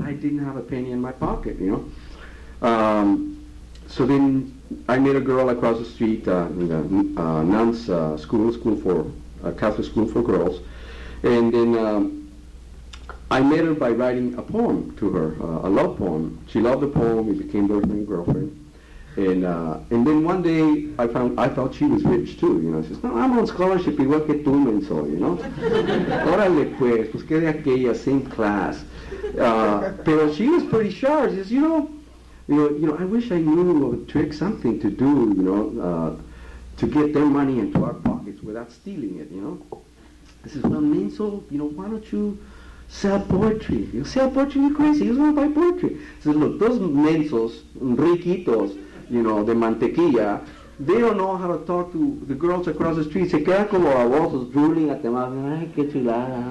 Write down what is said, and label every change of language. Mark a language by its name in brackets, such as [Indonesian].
[English] I didn't have a penny in my pocket, you know. So then I met a girl across the street in the nuns' school for Catholic school for girls, and then I met her by writing a poem to her, a love poem. She loved the poem. It became boyfriend and girlfriend, And then one day I found, I thought she was rich too, you know. I says, no, I'm on scholarship, [Spanish] igual que tú, menso, [English] you know. [Spanish] Órale pues, pues que de aquella, [English] same class. [Spanish] Pero [English] she was pretty sharp. She says, you know, I wish I knew a trick, something to do, you know, to get their money into our pockets without stealing it, you know. I says, well, menso, you know, why don't you sell poetry? You sell poetry, you're crazy, you just want to buy poetry. I says, look, those [Spanish] mensos, riquitos, [English] you know, the mantequilla, they don't know how to talk to the girls across the street. [Spanish] Se queda como a voces [English] drooling at them. [Spanish] Ay, qué chulada.